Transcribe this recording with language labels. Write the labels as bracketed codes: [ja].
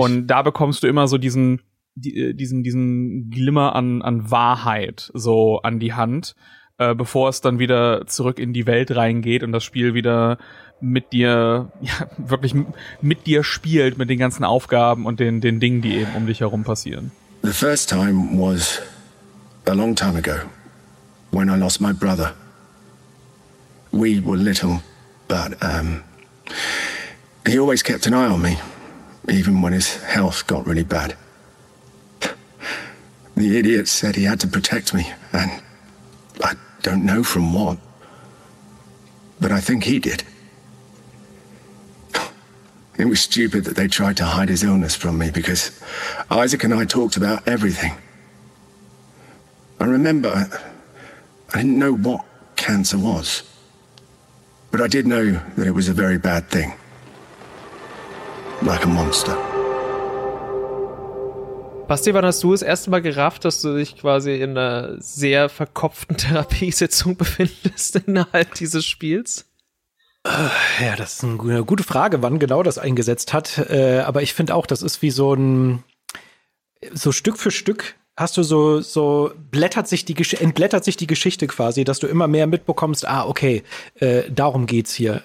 [de] Und da bekommst du immer so diesen Glimmer an Wahrheit so an die Hand, bevor es dann wieder zurück in die Welt reingeht und das Spiel wieder mit dir, ja, wirklich mit dir spielt, mit den ganzen Aufgaben und den Dingen, die eben um dich herum passieren. [en] The first time was a long time ago, when I lost my brother. We were little, but he always kept an eye on me, even when his health got really bad. The idiot said he had to protect me, and I don't know from what, but I think he did. It was stupid that they tried to hide his illness from me, because Isaac and I talked about everything. I remember I didn't know what cancer was, but I did know that it was a very bad thing, like a monster. [de] Basti, wann hast du das erste Mal gerafft, dass du dich quasi in einer sehr verkopften Therapiesitzung befindest innerhalb dieses Spiels? Ja, das ist eine gute Frage, wann genau das eingesetzt hat. Aber ich finde auch, das ist wie so Stück für Stück hast du so entblättert sich die Geschichte quasi, dass du immer mehr mitbekommst, ah, okay, darum geht's hier.